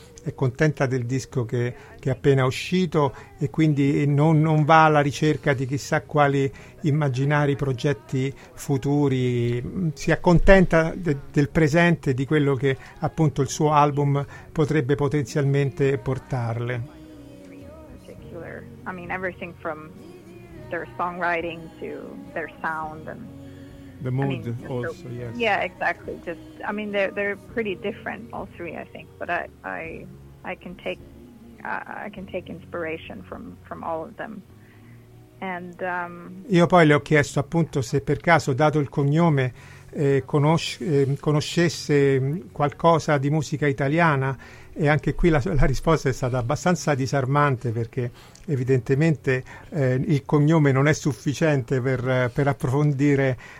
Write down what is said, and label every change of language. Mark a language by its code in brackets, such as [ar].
[it] è contenta del disco che è appena uscito e quindi non va alla ricerca di chissà quali immaginari progetti futuri, si accontenta del presente, di quello che appunto il suo album potrebbe potenzialmente portarle. [en] I mean, everything from their songwriting to their sound and the mood, I mean, also, so, yes. Yeah, exactly. Just, I mean, they're pretty different, all three, I think. But I can take inspiration from all of them. And [it] io poi le ho chiesto appunto se per caso, dato il cognome, conoscesse qualcosa di musica italiana, e anche qui la risposta è stata abbastanza disarmante, perché evidentemente il cognome non è sufficiente per approfondire